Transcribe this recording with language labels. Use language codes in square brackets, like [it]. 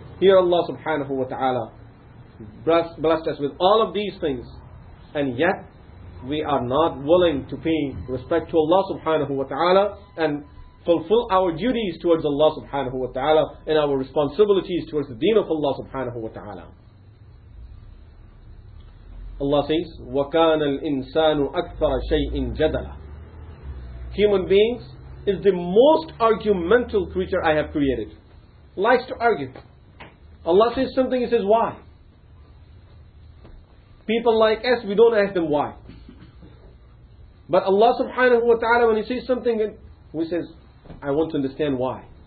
[en] Here Allah subhanahu wa ta'ala blessed us with all of these things, and yet we are not willing to pay respect to Allah subhanahu wa ta'ala and fulfill our duties towards Allah subhanahu wa ta'ala and our responsibilities towards the deen of Allah subhanahu wa ta'ala. Allah says, [ar] وَكَانَ الْإِنسَانُ أَكْثَرَ شَيْءٍ جَدَلًا. [en] Human beings is the most argumental creature I have created. Likes to argue. Allah says something, He says, why? People like us, we don't ask them why. But Allah subhanahu wa ta'ala, when He says something, we says, I want to understand why.